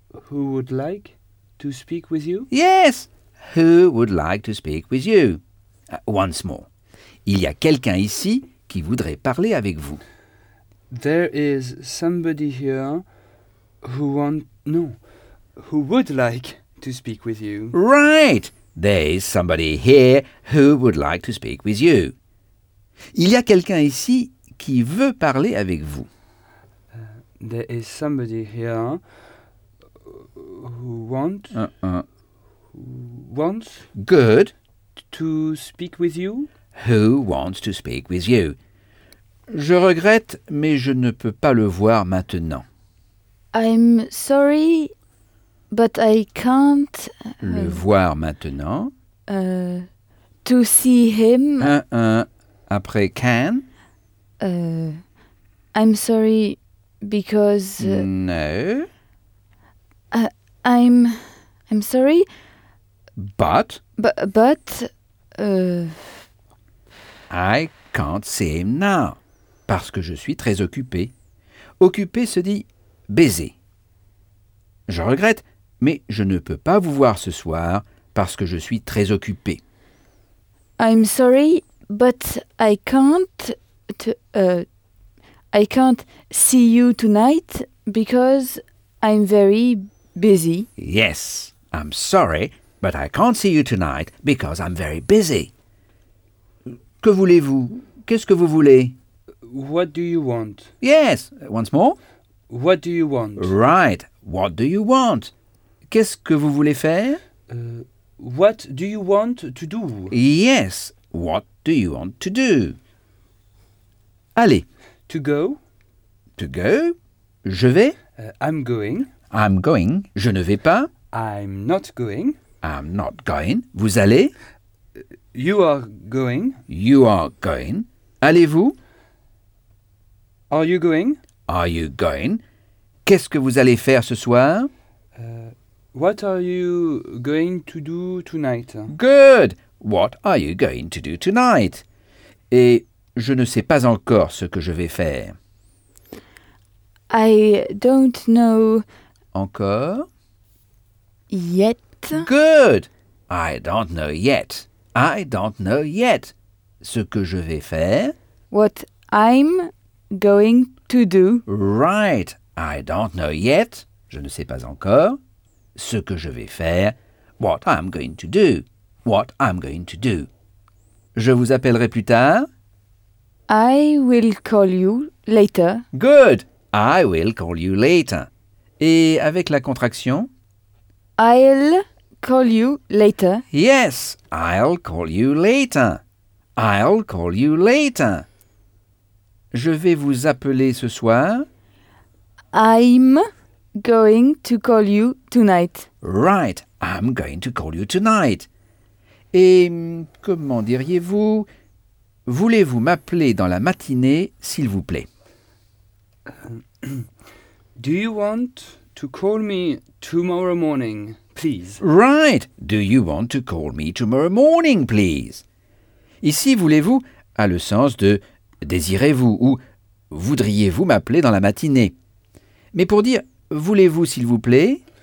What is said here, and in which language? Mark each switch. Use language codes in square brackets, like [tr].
[en] Who would like to speak with you? Yes! Who would like to speak with you? Once more. [fr] Il y a quelqu'un ici qui voudrait parler avec vous. [en] There is somebody here who want no, who would like to speak with you. Right! There is somebody here who would like to speak with you. [fr] Il y a quelqu'un ici qui veut parler avec vous. [en] There is somebody here who want... wants... good. To speak with you. Who wants to speak with you. [fr] Je regrette, mais je ne peux pas le voir maintenant. [en] I'm sorry, but I can't... [fr] le voir maintenant. [en] To see him. [fr] Après can. [en] I'm sorry because... no. I'm sorry. But. But. I can't see him now. [fr] Parce que je suis très occupé. Occupé se dit baiser. Je regrette, mais je ne peux pas vous voir ce soir parce que je suis très occupé. [en] I'm sorry, but I can't I can't see you tonight because I'm very busy. Yes, I'm sorry, but I can't see you tonight because I'm very busy. [fr] Que voulez-vous? Qu'est-ce que vous voulez? [en] What do you want? Yes, once more. What do you want? Right. What do you want? [fr] Qu'est-ce que vous voulez faire? [en] What do you want to do? Yes. What do you want to do? [fr] Allez. [en] To go. To go. [fr] Je vais. [en] I'm going. I'm going. [fr] Je ne vais pas. [en] I'm not going. I'm not going. [fr] Vous allez. [en] You are going. You are going. [fr] Allez-vous? [en] Are you going? Are you going? [fr] Qu'est-ce que vous allez faire ce soir? [en] What are you going to do tonight? Good! What are you going to do tonight? [fr] Et je ne sais pas encore ce que je vais faire. [en] I don't know... [fr] Encore? [en] Yet. Good! I don't know yet. I don't know yet. [fr] Ce que je vais faire. [en] What I'm going to do. Right. I don't know yet. [fr] Je ne sais pas encore. Ce que je vais faire. [en] What I'm going to do. What I'm going to do. [fr] Je vous appellerai plus tard. [en] I will call you later. Good. I will call you later. [fr] Et avec la contraction? [en] I'll call you later. Yes, I'll call you later. I'll call you later. [fr] Je vais vous appeler ce soir. [en] I'm going to call you tonight. Right, I'm going to call you tonight. [fr] Et comment diriez-vous? Voulez-vous m'appeler dans la matinée, s'il vous plaît? [en] Do you want to call me tomorrow morning, please? Right. Do you want to call me tomorrow morning, please? [fr] Ici, voulez-vous a le sens de désirez-vous ou voudriez-vous m'appeler dans la matinée. Mais pour dire voulez-vous, s'il vous plaît?